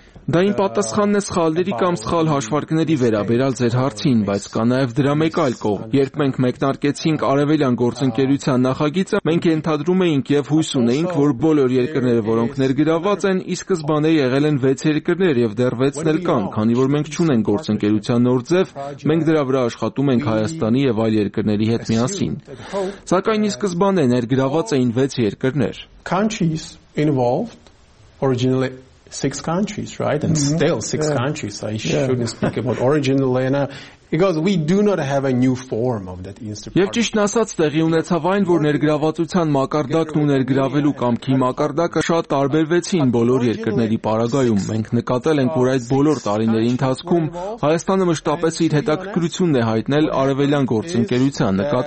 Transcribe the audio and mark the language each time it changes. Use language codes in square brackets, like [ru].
[hy] Դա իմ պատասխանն է սխալների կամ սխալ հաշվարկների վերաբերյալ ձեր հարցին, բայց կա նաև դրա մեկ այլ կողմ։ Երբ մենք մեկնարկեցինք Արևելյան գործընկերության նախագիծը, մենք ենթադրում էինք եւ հույս ունեինք, որ բոլոր երկրները, որոնք ներգրաված են, ի սկզբանե եղել են 6 երկրներ եւ դեռ 6-ն էլ կան, քանի որ մենք չունենք գործընկերության նոր ձև, մենք դրա վրա աշխատում ենք Հայաստանի եւ այլ երկրների հետ միասին։ Սակայն ի սկզբանե ներգրաված էին 6 երկրներ։ [en] Countries involved originally six countries, right? And mm-hmm. still six yeah. countries. I shouldn't speak about originally now. Because we do not have a new form of that institution. [hy] Եվ ճիշտ ասած, տեղի ունեցավ այն, որ ներգրավվածության մակարդակն ու ներգրավելու կամքի մակարդակը շատ տարբերվեցին բոլոր երկրների պարագայում։ Մենք նկատել ենք, որ այդ բոլոր տարիների ընթացքում Հայաստանը մշտապես իր հետաքրքրությունն է հայտնել Արևելյան գործընկերության